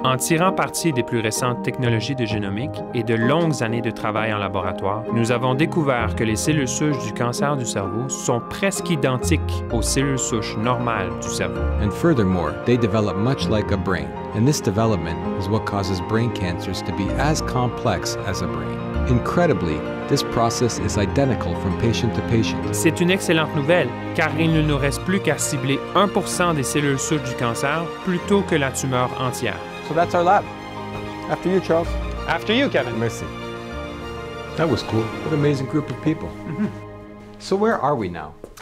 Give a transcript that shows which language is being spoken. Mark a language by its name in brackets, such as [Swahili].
[French] En tirant parti des plus récentes technologies de génomique et de longues années de travail en laboratoire, nous avons découvert que les cellules souches du cancer du cerveau sont presque identiques aux cellules souches normales du cerveau. [English] And furthermore, they develop much like a brain, and this development is what causes brain cancers to be as complex as a brain. Incredibly, this process is identical from patient to patient. [French] C'est une excellente nouvelle, car il ne nous reste plus qu'à cibler 1% des cellules souches du cancer plutôt que la tumeur entière. [English] So that's our lab. After you, Charles. After you, Kevin. [French] Merci. [English] That was cool. What an amazing group of people. So where are we now?